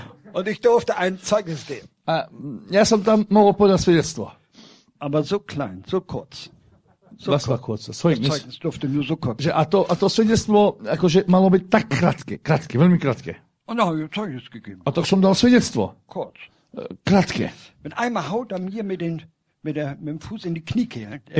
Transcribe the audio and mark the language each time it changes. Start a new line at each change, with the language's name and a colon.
German: Und ich durfte ein Zeugnis geben.
Slovak: A ja som tam mohol podať svedectvo.
German: Aber so klein, so kurz. So was war kurz? Svoje Zeugnis durfte nur so kurz.
Slovak: Že a to svedectvo akože malo byť tak krátke, veľmi krátke.
German: Und habe ich Zeugnis gegeben.
Slovak: A tak som dal svedectvo.
German: Kurz.
Slovak: Krátke.
German: Mit einmal haut er mir mit dem Fuß in die Kniekehlen.